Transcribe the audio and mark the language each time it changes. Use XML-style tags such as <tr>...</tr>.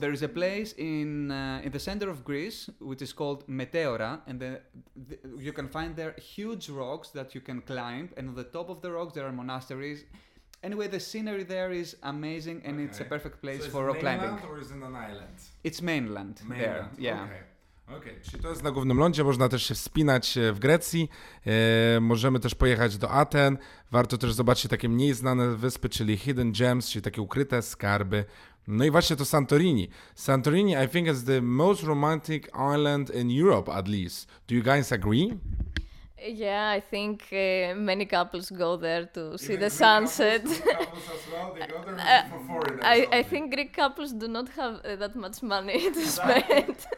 <en>There is a place in the center of Greece, which is called Meteora, and the you can find there huge rocks that you can climb, and on the top of the rocks there are monasteries. Anyway, the scenery there is amazing, and okay. It's a perfect place so for rock climbing. So it's mainland or is it an island? It's mainland. Mainland, there. Yeah. Okay.</en> <pl>Czy to jest na głównym lądzie, można też się wspinać w Grecji, możemy też pojechać do Aten, warto też zobaczyć takie mniej znane wyspy, czyli</pl> <en>hidden gems,</en> <pl>czyli takie ukryte skarby. No i właśnie to Santorini.</pl> <en>Santorini, I think, is the most romantic island in Europe, at least. Do you guys agree? Yeah, I think many couples go there to Even see the Greek sunset. Couples as well, they go there for foreigners. I think Greek couples do not have that much money to spend.</en>